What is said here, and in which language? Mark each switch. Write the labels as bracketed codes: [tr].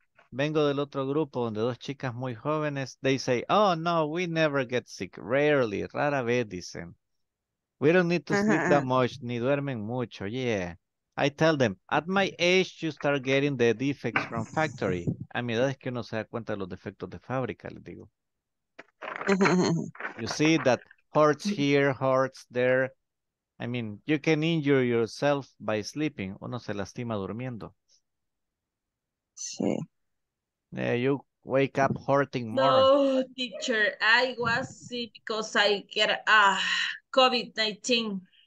[es] Vengo del otro grupo donde dos chicas muy jóvenes. [en] They say, oh, no, we never get sick. Rarely, [es] rara vez, dicen. [en] We don't need to sleep that much, [es] ni duermen mucho. [en] Yeah. I tell them, at my age, you start getting the defects from factory. [es] A mi edad es que uno se da cuenta de los defectos de fábrica, les digo. [en] You see that hurts here, hurts there. I mean, you can injure yourself by sleeping. [es] Uno se lastima durmiendo. Sí. [en] Yeah, you wake up hurting more. No, teacher, I was sick because I get COVID-19.